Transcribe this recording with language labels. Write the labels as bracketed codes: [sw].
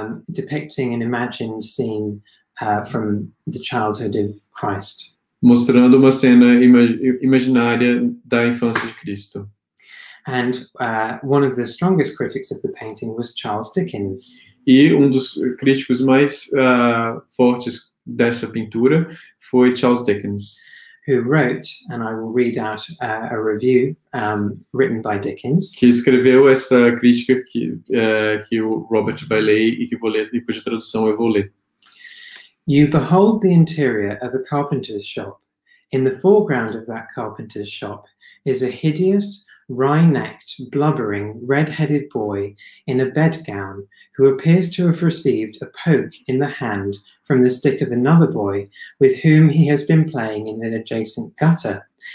[en] Depicting an imagined scene from the childhood of Christ. [pt] Mostrando uma cena imaginária da infância de Cristo. [en] And one of the strongest critics of the painting was Charles Dickens. [pt] E dos críticos mais fortes dessa pintura foi Charles Dickens. [en] Who wrote, and I will read out a review written by Dickens. [pt] Que escreveu essa crítica que o Robert vai ler e cuja tradução eu vou ler. [en] You behold the interior of a carpenter's shop. In the foreground of that carpenter's shop is a hideous, wry-necked, blubbering, red-headed boy in a bedgown who appears to have received a poke in the hand from the stick of another boy with whom he has been playing in an adjacent gutter,